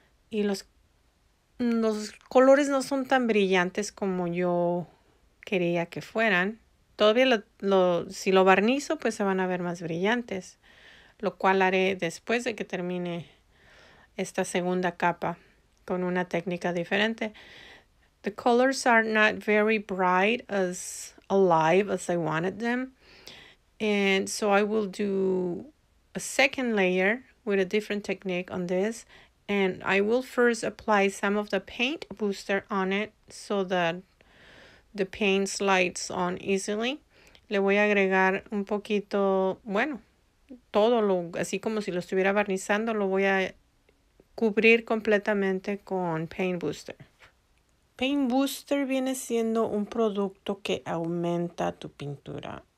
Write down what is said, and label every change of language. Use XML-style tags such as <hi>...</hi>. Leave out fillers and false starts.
<es>Y los colores no son tan brillantes como yo quería que fueran. Todavía si lo barnizo, pues se van a ver más brillantes, lo cual haré después de que termine esta segunda capa, con una técnica diferente.</es> <en>The colors are not very bright, as alive as I wanted them. And so I will do a second layer with a different technique on this. And I will first apply some of the paint booster on it so that the paint slides on easily.</en> <es>Le voy a agregar un poquito, bueno, todo lo, así como si lo estuviera barnizando, lo voy a cubrir completamente con Paint Booster. Paint Booster viene siendo un producto que aumenta tu pintura.</es>